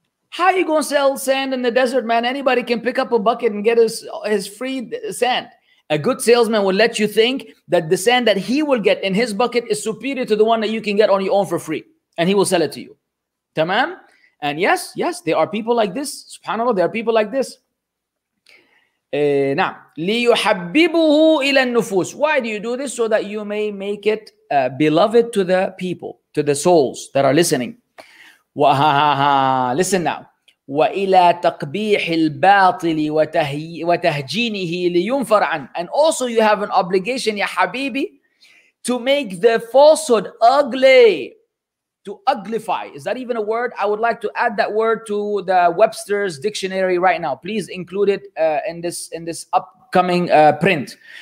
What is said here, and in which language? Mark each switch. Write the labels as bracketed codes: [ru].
[en] How are you going to sell sand in the desert, man? Anybody can pick up a bucket and get his free sand. A good salesman will let you think that the sand that he will get in his bucket is superior to the one that you can get on your own for free. And he will sell it to you. Tamam? And yes, there are people like this. SubhanAllah, there are people like this. [ar] Now, ليحببه إلى النفوس. [en] Why do you do this? So that you may make it beloved to the people, to the souls that are listening. Listen now. [ar] وإلى تقبيح الباطل وتهجينه لينفر عنه. [en] And also you have an obligation, [ar] يا حبيبي, [en] to make the falsehood ugly, to uglify. Is that even a word? I would like to add that word to the Webster's dictionary right now. Please include it in this upcoming print.